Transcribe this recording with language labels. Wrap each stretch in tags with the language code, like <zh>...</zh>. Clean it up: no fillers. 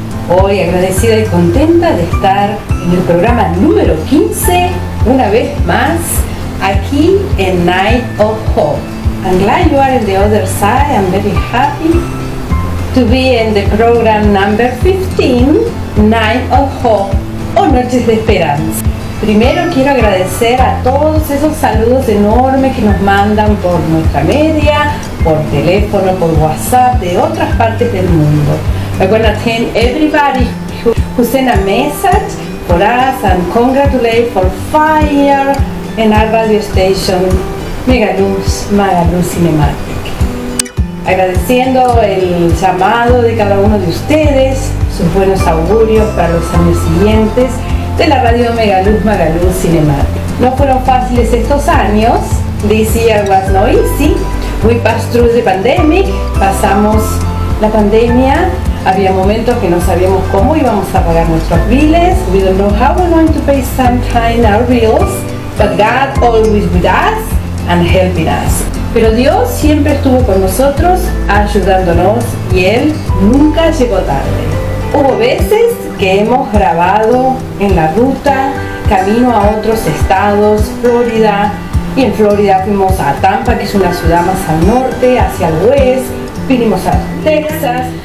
<es>Hoy agradecida y contenta de estar en el programa número 15, una vez más, aquí en Night of Hope.</es> <en>I'm glad you are in the other side. I'm very happy to be in the program number 15, Night of Hope, o Noches de Esperanza.</en> <es>Primero quiero agradecer a todos esos saludos enormes que nos mandan por nuestra media, por teléfono, por WhatsApp, de otras partes del mundo.</es> <en>I want to thank everybody who sent a message for us and congratulate for fire in our radio station, Megaluz, Magaluz Cinematic.</en> <es>Agradeciendo el llamado de cada uno de ustedes, sus buenos augurios para los años siguientes de la radio Megaluz, Magaluz Cinematic. No fueron fáciles estos años,</es> <en>this year was not easy. We passed through the pandemic,</en> <es>pasamos la pandemia, había momentos que no sabíamos cómo íbamos a pagar nuestros bills.</es> <en>We don't know how we're going to pay sometimes our bills, but God always with us and helping us.</en> <es>Pero Dios siempre estuvo con nosotros, ayudándonos, y Él nunca llegó tarde. Hubo veces que hemos grabado en la ruta, camino a otros estados, Florida, y en Florida fuimos a Tampa, que es una ciudad más al norte, hacia el oeste, vinimos a Texas.</es>